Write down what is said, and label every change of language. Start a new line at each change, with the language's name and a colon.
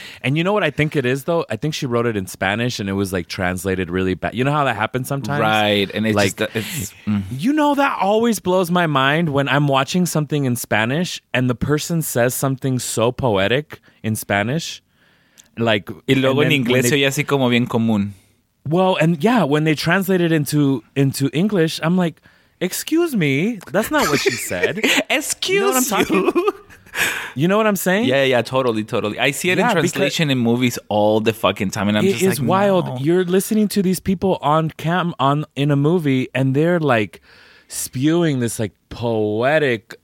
English: And you know what I think it is, though? I think she wrote it in Spanish and it was like translated really bad. You know how that happens sometimes? Right. And it's like, just, it's, you know, that always blows my mind when I'm watching something in Spanish and the person says something so poetic in Spanish. Like,
Spanish: y luego en inglés, soy así como bien común.
English: Well, and yeah, when they translated into English, I'm like, excuse me, that's not what she said. Excuse you. Know what I'm talking? You know what I'm saying? Yeah, yeah, totally, totally. I see it in translation in movies all the fucking time, and I'm just like, it is wild. No. You're listening to these people on cam on in a movie, and they're like spewing this like poetic